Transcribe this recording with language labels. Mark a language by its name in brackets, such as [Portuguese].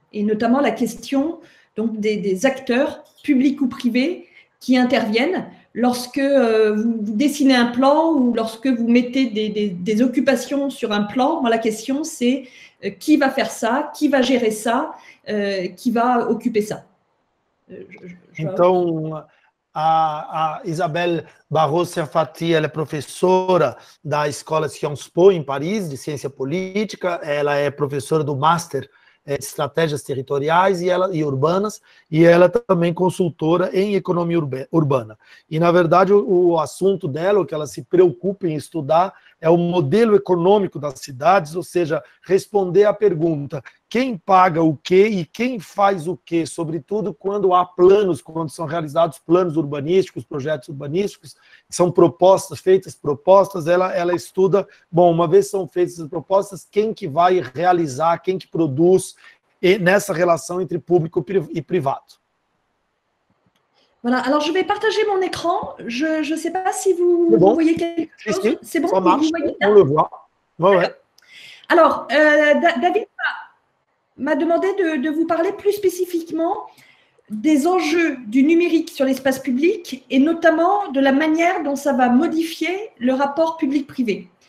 [French] Et notamment la question donc, des acteurs publics ou privés qui interviennent lorsque vous dessinez un plan ou lorsque vous mettez des occupations sur un plan. Moi, la question, c'est qui va faire ça, qui va gérer ça, qui va occuper ça. [Portuguese] Então, a Isabelle Barros-Serfati, ela é professora da Escola Sciences Po em Paris, de ciência política. Ela é professora do Master de Estratégias Territoriais e Urbanas, e ela também consultora em economia urbana. E, na verdade, o assunto dela, o que ela se preocupa em estudar, é o modelo econômico das cidades, ou seja, responder à pergunta quem paga o quê e quem faz o quê, sobretudo quando há planos, quando são realizados planos urbanísticos, projetos urbanísticos, são propostas, feitas propostas, ela estuda, bom, uma vez são feitas as propostas, quem que vai realizar, quem que produz, e nessa relação entre público e privado. [French] Voilà, alors je vais partager mon écran. Je ne sais pas si vous, vous voyez quelque chose. Si, c'est bon, ça marche, vous voyez, on le voit. Ouais, ouais. Alors, David m'a demandé de vous parler plus spécifiquement des enjeux du numérique sur l'espace public et notamment de la manière dont ça va modifier le rapport public-privé.